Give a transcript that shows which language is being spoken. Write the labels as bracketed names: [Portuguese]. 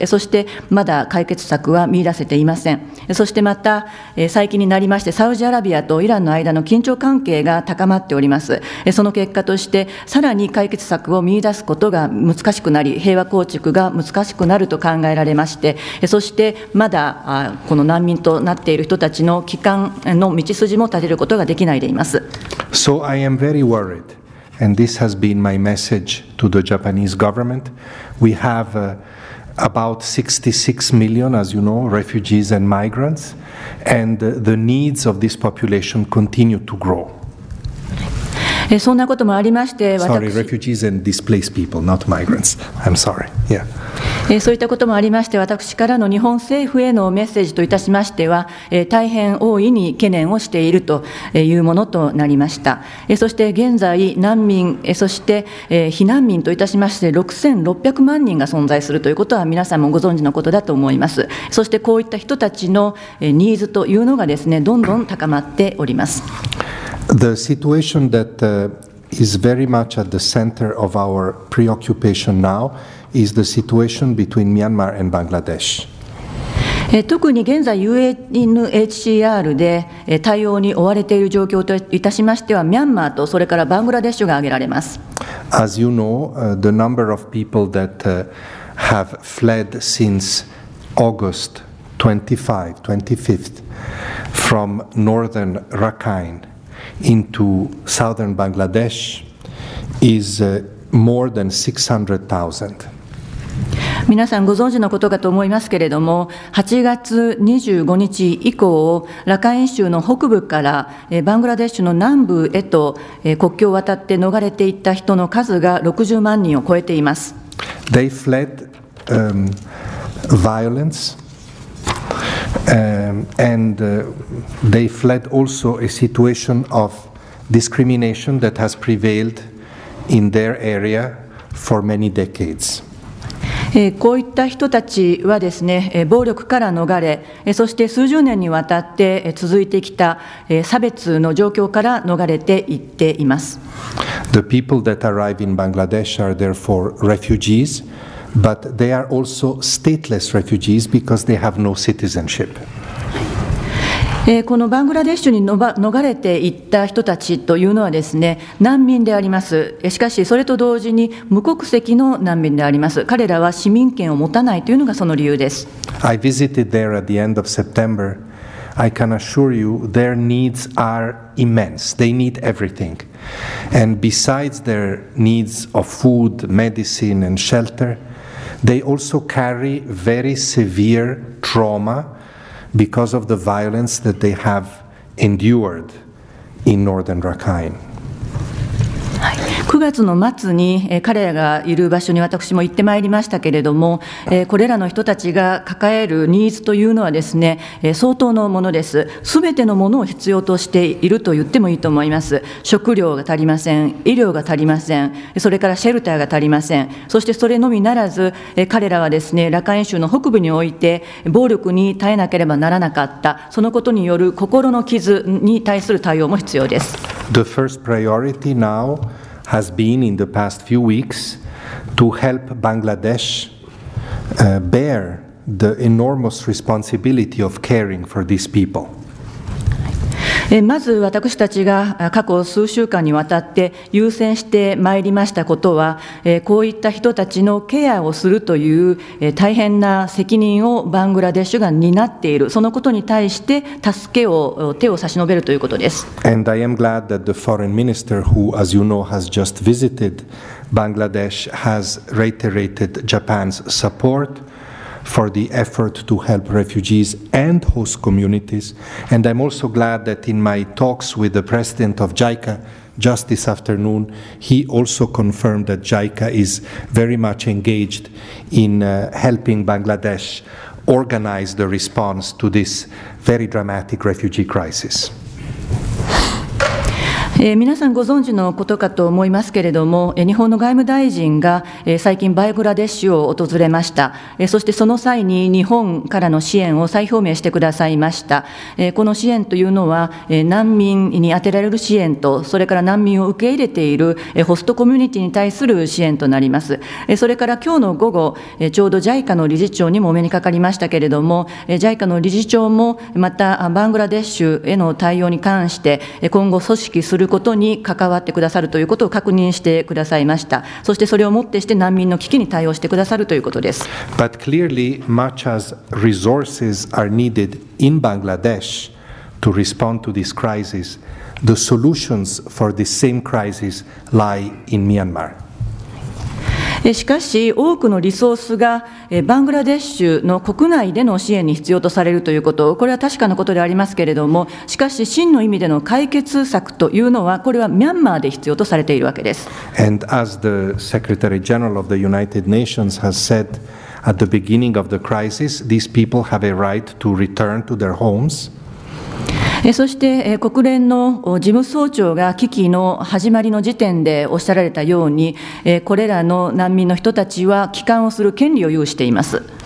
[Japanese] そしてまだ解決策は見出せていません。そしてまた最近になりまして、サウジアラビアとイランの間の緊張関係が高まっております。その結果としてさらに解決策を見出すことが難しくなり、平和構築が難しくなると考えられまして、そしてまだこの難民となっている人たちの帰還の道筋も立てることができないでいます。 [English] So I am very worried, and this has been my message to the Japanese government. We have about 66 million, as you know, refugees and migrants, and the needs of this population continue to grow. [Japanese] そんなこともありまして、そういったこともありまして、私からの日本政府へのメッセージといたしましては、大変大いに懸念をしているというものとなりました。そして現在、難民、そして避難民といたしまして、6600万人が存在するということは皆さんもご存知のことだと思います。そしてこういった人たちのニーズというのがですね、どんどん高まっております。 [English] The situation that is very much at the center of our preoccupation now is the situation between Myanmar and Bangladesh. [Japanese] 特に現在 UNHCR で対応に追われている状況といたしましては、ミャンマーとそれからバングラデシュが挙げられます。 [English] As you know, the number of people that have fled since August 25th from northern Rakhine. Into southern Bangladesh is more than 600,000. [Japanese] 皆さんご存知のことかと思いますけれども、8月25日以降、ラカイン州の北部からバングラデシュの南部へと国境を渡って逃れていった人の数が60万人を超えています。 [English] They fled violence. And they fled also a situation of discrimination that has prevailed in their area for many decades. [Japanese] こういった人たちはですね、暴力から逃れ、そして数十年にわたって続いてきた差別の状況から逃れていっています。 [English] The people that arrive in Bangladesh are therefore refugees. But they are also stateless refugees because they have no citizenship. [Japanese] このバングラデシュに逃れていった人たちというのはですね、難民であります。しかしそれと同時に無国籍の難民であります。彼らは市民権を持たないというのがその理由です。 [English] I visited there at the end of September. I can assure you their needs are immense. They need everything. And besides their needs of food, medicine, and shelter, they also carry very severe trauma because of the violence that they have endured in northern Rakhine. [Japanese] 9月の末に彼らがいる場所に私も行ってまいりましたけれども、これらの人たちが抱えるニーズというのはですね、相当のものです。すべてのものを必要としていると言ってもいいと思います。食料が足りません、医療が足りません、それからシェルターが足りません。そしてそれのみならず、彼らはですね、ラカイン州の北部において暴力に耐えなければならなかった。そのことによる心の傷に対する対応も必要です。 [English] The first priority now has been in the past few weeks to help Bangladesh bear the enormous responsibility of caring for these people. [Japanese] まず私たちが過去数週間にわたって優先してまいりましたことは、こういった人たちのケアをするという大変な責任をバングラデシュが担っている、そのことに対して助けを手を差し伸べるということです。 [English] And I am glad that the foreign minister who, as you know, has just visited Bangladesh has reiterated Japan's supportfor the effort to help refugees and host communities. And I'm also glad that in my talks with the president of JICA just this afternoon, he also confirmed that JICA is very much engaged in helping Bangladesh organize the response to this very dramatic refugee crisis. [Japanese] 皆さんご存知のことかと思いますけれども、日本の外務大臣が最近バングラデシュを訪れました。そしてその際に日本からの支援を再表明してくださいました。この支援というのは難民に充てられる支援と、それから難民を受け入れているホストコミュニティに対する支援となります。それから今日の午後、ちょうど JICA の理事長にもお目にかかりましたけれども、 JICA の理事長もまたバングラデシュへの対応に関して今後組織することに関わってくださるということを確認してくださいました。そしてそれをもってして難民の危機に対応してくださるということです。 [English] But clearly, much as resources are needed in Bangladesh to respond to this crisis, the solutions for this same crisis lie in Myanmar. [Japanese] しかし多くのリソースがバングラデシュの国内での支援に必要とされるということ、これは確かなことでありますけれども、しかし真の意味での解決策というのは、これはミャンマーで必要とされているわけです。 [English] And as the Secretary General of the United Nations has said at the beginning of the crisis, these people have a right to return to their homes. [Japanese] そして国連の事務総長が危機の始まりの時点でおっしゃられたように、これらの難民の人たちは帰還をする権利を有しています。